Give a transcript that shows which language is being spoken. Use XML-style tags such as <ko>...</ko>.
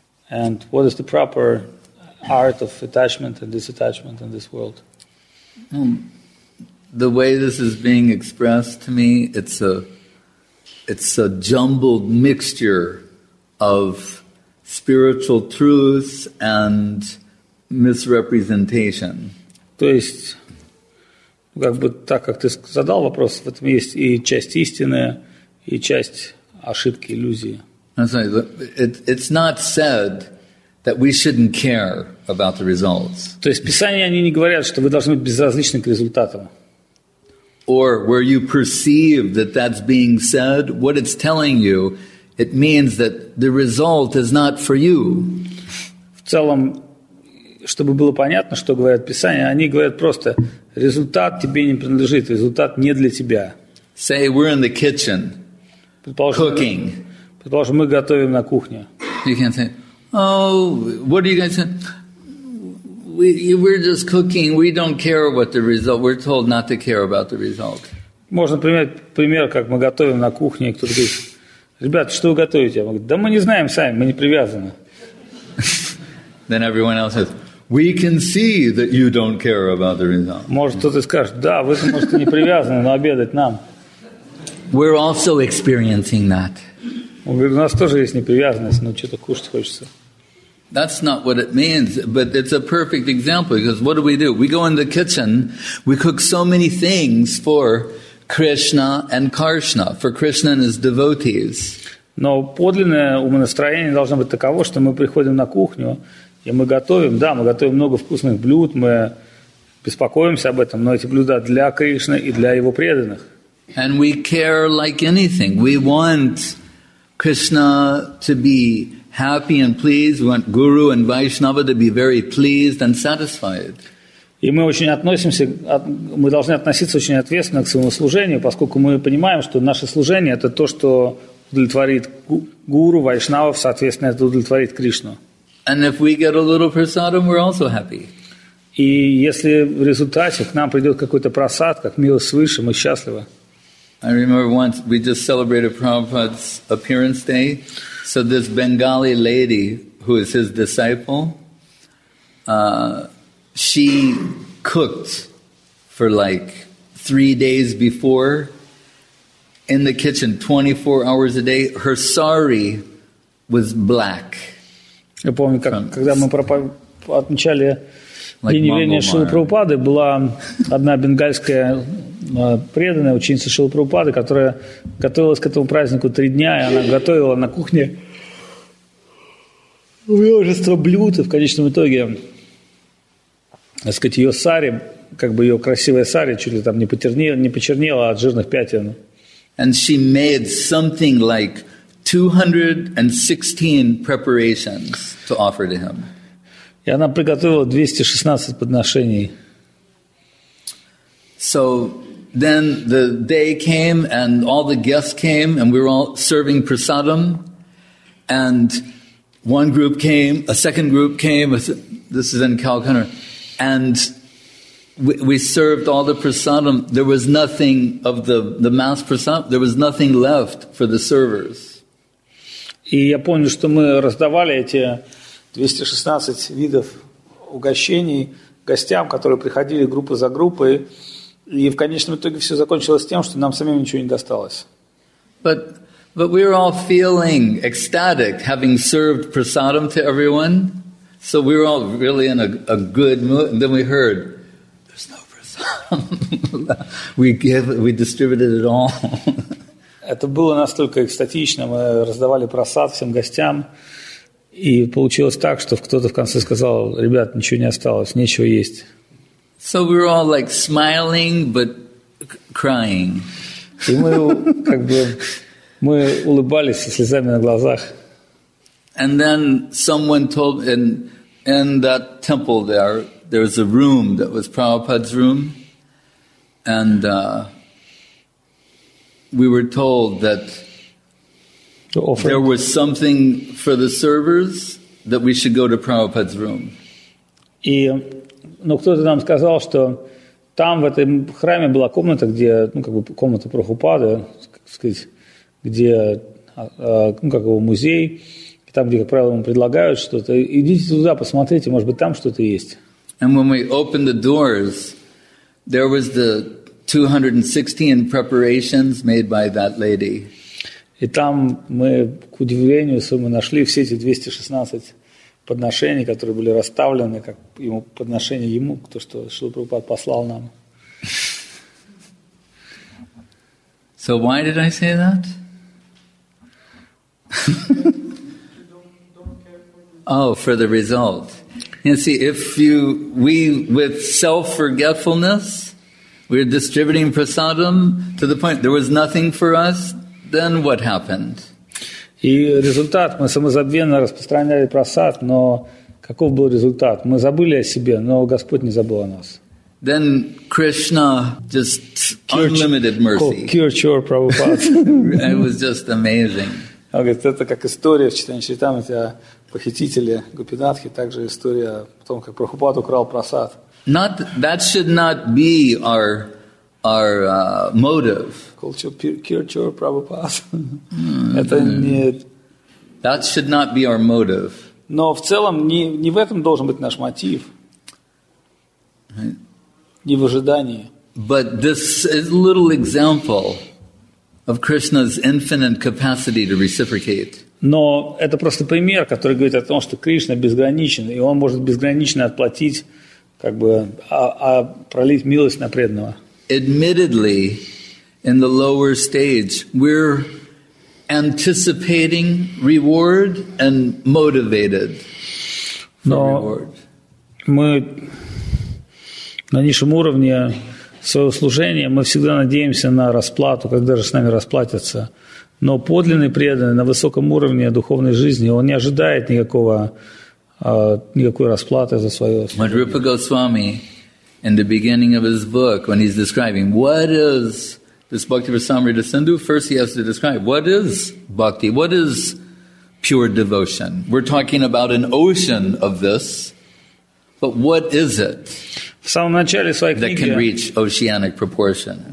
<en>And what is the proper art of attachment and disattachment in this world? The way this is being expressed to me, it's a jumbled mixture of spiritual truths and misrepresentation.</en> <ru>То есть, как бы так, как ты задал вопрос, в этом есть и часть истины, и часть ошибки, иллюзии.</ru> <en>It's not said that we shouldn't care about the results.</en> <ru>То есть, Писания, они не говорят, что вы должны быть безразличны к результатам.</ru> <en>Or where you perceive that that's being said, what it's telling you, it means that the result is not for you.</en> <ru>В целом, чтобы было понятно, что говорят Писания, они говорят просто, результат тебе не принадлежит, результат не для тебя.</ru> <en>Say we're in the kitchen, cooking.</en> <ru>Предположим, мы готовим на кухне.</ru> <en>You can say, oh, what are you going to say? We're just cooking, we don't care what the result, we're told not to care about the result.</en> <ru>Можно пример, как мы готовим на кухне, и кто-то говорит, ребята, что вы готовите? Я говорю, да мы не знаем сами, мы не привязаны.</ru> <en>Then everyone else says, we can see that you don't care about the result.</en> <ru>Может, кто-то скажет, да, вы, может, не привязаны, но обедать нам.</ru> <en>We're also experiencing that.</en> <ru>Он говорит, у нас тоже есть непривязанность, но что-то кушать хочется.</ru> <en>That's not what it means, but it's a perfect example, because what do? We go in the kitchen, we cook so many things for Krishna and Karshna, for Krishna and his devotees.</en> <ru>Но подлинное умонастроение должно быть таково, что мы приходим на кухню, и мы готовим, да, мы готовим много вкусных блюд, мы беспокоимся об этом, но эти блюда для Кришны и для его преданных.</ru> <en>And we care like anything. We want Krishna to be happy and pleased, we want Guru and Vaishnava to be very pleased and satisfied.</en> <ru>И мы очень относимся, мы должны относиться очень ответственно к своему служению, поскольку мы понимаем, что наше служение – это то, что удовлетворит Гуру, Вайшнавов, соответственно, это удовлетворит Кришну.</ru> <en>And if we get a little prasadam, we're also happy.</en> <ru>И если в результате к нам придет какой-то просад, как милость свыше, мы счастливы.</ru> <en>I remember once we just celebrated Prabhupada's appearance day. So this Bengali lady, who is his disciple, she cooked for like 3 days before in the kitchen, 24 hours a day. Her sari was black.</en> <ru>Я помню, как, когда мы отмечали день рождения Шрилы Прабхупады, была одна бенгальская преданная ученица Шрилы Прабхупады, которая готовилась к этому празднику 3 дня, и она готовила на кухне множество блюд, и в конечном итоге, так сказать, ее сари, как бы ее красивая сари, чуть ли там не почернела от жирных пятен.</ru> <en>And she made something like 216 preparations to offer to him.</en> <ru>И она приготовила 216 подношений.</ru> <en>So then the day came and all the guests came and we were all serving prasadam. And one group came, a second group came, this is in Calcutta, and we served all the prasadam. There was nothing of the mass prasadam, there was nothing left for the servers.</en> <ru>И я помню, что мы раздавали эти 216 видов угощений гостям, которые приходили группа за группой. И в конечном итоге все закончилось тем, что нам самим ничего не досталось.</ru> <en>But we were all feeling ecstatic, having served prasadam to everyone. So we were all really in a good mood. And then we heard, there's no prasadam. we distributed it all.</en> <ru>Это было настолько экстатично. Мы раздавали прасад всем гостям. И получилось так, что кто-то в конце сказал, ребят, ничего не осталось, нечего есть.</ru> <en>So we were all like smiling, but crying.</en> <ru>И мы как бы мы улыбались со слезами на глазах.</ru> <en>And then someone told in that temple there was a room that was Prabhupada's room, and we were told that there was something for the servers that we should go to Prabhupada's room.</en> <ru>И Но кто-то нам сказал, что там, в этом храме, была комната, где, ну, как бы комната Прабхупады, так сказать, где, ну, как его музей, там, где, как правило, ему предлагают что-то. Идите туда, посмотрите, может быть, там что-то есть.</ru> <en>And when we opened the doors, there was the 216 preparations made by that lady.</en> <ru>И там мы, к удивлению своему, нашли все эти 216 подношения, которые были расставлены, как ему подношение ему, то, что Шрила Прабхупада послал нам.</ru> <en>So why did I say that? Oh, for the result. You see, if we with self-forgetfulness, we're distributing prasadam to the point there was nothing for us, then what happened?</en> <ru>И результат, мы самозабвенно распространяли просад, но каков был результат? Мы забыли о себе, но Господь не забыл о нас.</ru> <en>Then Krishna just unlimited mercy. Cure your Prabhupada. It was just amazing.</en> <ru>Он говорит, это как история в Чайтанья Чаритамрите о похитителе Гопинатхи, также история о том, как Прабхупада украл просад.</ru> <en>Not that should not be our motive.</en> <ru>Это не...</ru> <en>That should not be our motive.</en> <ru>Но в целом не в этом должен быть наш мотив. Не в ожидании.</ru> <en>But this is a little example of Krishna's infinite capacity to reciprocate.</en> <ru>Но это просто пример, который говорит о том, что Кришна безграничен, и он может безгранично отплатить, как бы, пролить милость на преданного.</ru> <en>Admittedly, in the lower stage, we're anticipating reward and motivated for reward.</en> <ru>Мы на низшем уровне своего служения, мы всегда надеемся на расплату, когда же с нами расплатятся. Но подлинный преданный на высоком уровне духовной жизни, он не ожидает никакой расплаты за свое служение.</ru> <en>Мадрупа Госвами, in the beginning of his book, when he's describing what is this Bhakti Rasamrita Sindhu, first he has to describe what is bhakti, what is pure devotion. We're talking about an ocean of this, but what is it that can reach oceanic proportion?</en>